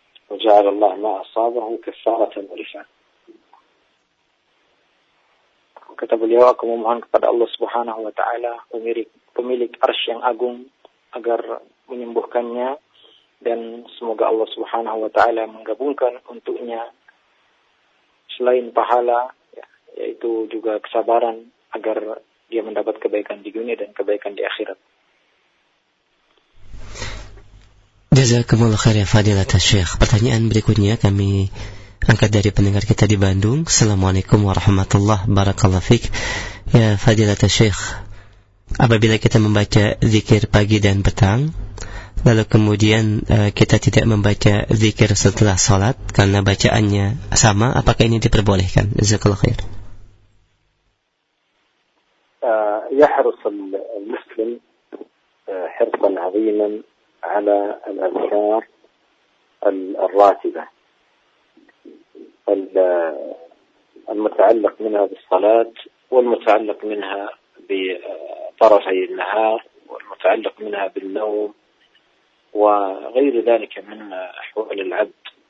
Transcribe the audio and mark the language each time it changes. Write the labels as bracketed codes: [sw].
[ar] وجعل الله ما أصابه كفارة ورفعة. كتب اليوم [id] aku memohon kepada Allah Subhanahu wa taala, pemilik arsy yang agung, agar menyembuhkannya dan semoga Allah Subhanahu wa taala menggabungkan untuknya selain pahala yaitu juga kesabaran agar dia mendapat kebaikan di dunia dan kebaikan di akhirat. Jazakumullah khair ya fadilat syekh. Pertanyaan berikutnya kami angkat dari pendengar kita di Bandung. Assalamualaikum warahmatullahi wabarakatuh. Ya fadilat syekh, apabila kita membaca zikir pagi dan petang lalu kemudian kita tidak membaca zikir setelah sholat karena bacaannya sama, apakah ini diperbolehkan? Jazakumullah khair. [ar] Yahrusul muslim hirsan aziman على الأذكار الراتبة المتعلق منها بالصلاة والمتعلق منها بطرفي النهار والمتعلق منها بالنوم وغير ذلك من أحوال العبد.